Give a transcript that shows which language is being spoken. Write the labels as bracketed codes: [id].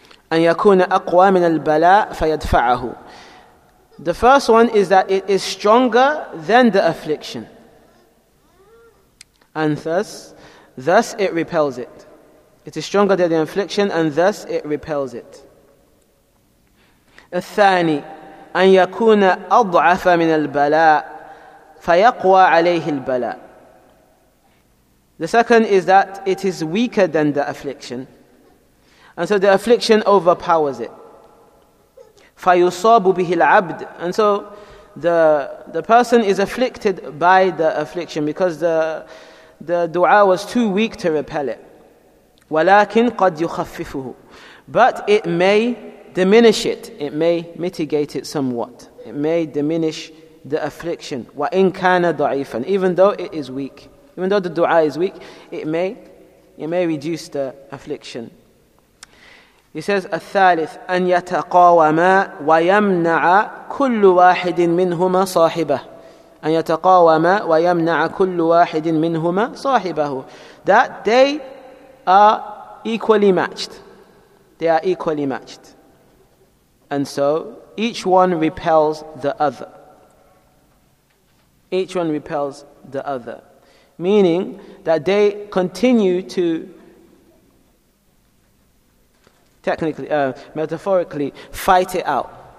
[ar] An yakuna aqwa min al-bala fayadfa'ahu. [en] The first one is that it is stronger than the affliction, and thus it repels it. It is stronger than the affliction, and thus it repels it. [ar] الثاني أن يكون أضعف من البلاء فيقوى عليه البلاء. [en] The second is that it is weaker than the affliction, and so the affliction overpowers it. [ar] فيصاب به العبد, [en] and so the person is afflicted by the affliction because the dua was too weak to repel it. [ar] وَلَكِنْ قَدْ يُخَفِّفُهُ. [en] But it may diminish it. It may mitigate it somewhat. It may diminish the affliction. [ar] وَإِنْ كَانَ ضَعِيفًا. [en] Even though it is weak, even though the dua is weak, it may reduce the affliction. He says, [ar] الثالث أن يتقاوما ويمنع كل واحد منهما صاحبه. أن يتقاوما ويمنع كل واحد منهما صاحبه. [en] That they are equally matched. They are equally matched. And so each one repels the other. Each one repels the other. Meaning that they continue to, technically, metaphorically, fight it out.